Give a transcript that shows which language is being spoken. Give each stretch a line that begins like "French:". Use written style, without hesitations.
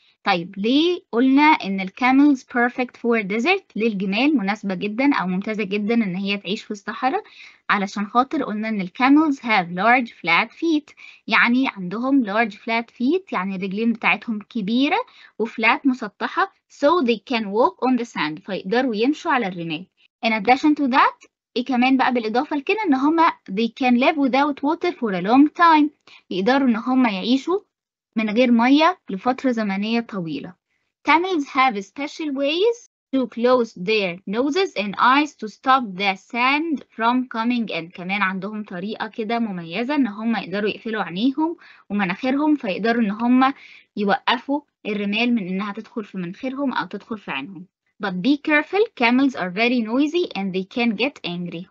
Arabic: طيب ليه قلنا ان الكاملز
English: perfect for desert
Arabic: ليه الجمال مناسبة جدا او ممتازة جدا ان هي تعيش في الصحراء علشان خاطر قلنا ان الكاملز
English: have large flat feet
Arabic: يعني عندهم
English: large flat feet
Arabic: يعني الرجلين بتاعتهم كبيرة وفلات مسطحة
English: so they can walk on the sand
Arabic: فيقدروا يمشوا على الرمال.
English: In addition to that
Arabic: ايه كمان بقى بالاضافة لكده ان هما
English: they can live without water for a long time
Arabic: يقدروا ان هما يعيشوا من غير مية لفترة زمنية طويلة.
English: Camels have special ways to close their noses and eyes to stop the sand from coming in.
Arabic: كمان عندهم طريقة كده مميزة ان هم يقدروا يقفلوا عينيهم ومناخيرهم فيقدروا ان هم يوقفوا الرمال من انها تدخل في مناخيرهم او تدخل في عينهم.
English: But be careful, camels are very noisy and they can get angry.